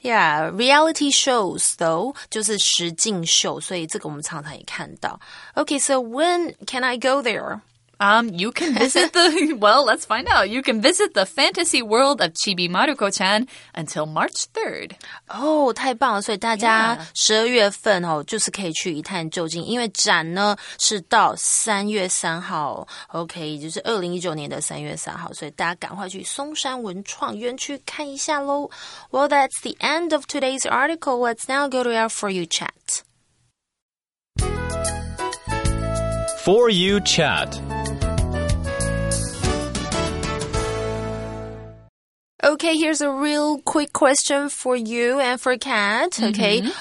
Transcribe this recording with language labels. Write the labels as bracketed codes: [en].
[en] Yeah, reality shows though, [zh] 就是实境秀所以这个我们常常也看到。 [en] OK, so when can I go there? You can visit the, well, let's find out. You can visit the fantasy world of Chibi Maruko-chan until March 3rd. [zh] Oh, 太棒了。所以大家12月份、哦、就是可以去一探究竟。因为展呢是到3月3号。 OK, 就是2019年的3月3号。所以大家赶快去松山文创园区看一下咯。 [en] Well, that's the end of today's article. Let's now go to our For You Chat. For You Chat. Okay, here's a real quick question for you and for Kat. Okay,、mm-hmm.